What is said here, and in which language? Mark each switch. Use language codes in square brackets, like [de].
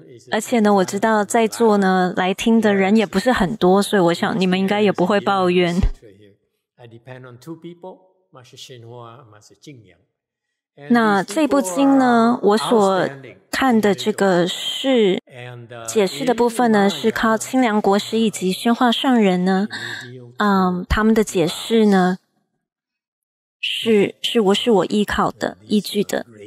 [zh] 而且呢，我知道在座呢来听的人也不是很多，所以我想你们应该也不会抱怨。 [en] I depend on two people, Master Shen Hua and Master Jing Yang。 [zh] 那这部经呢，我所看的这个是解释的部分呢，是靠清凉国师以及宣化上人呢，他们的解释呢，是我依靠的依据的。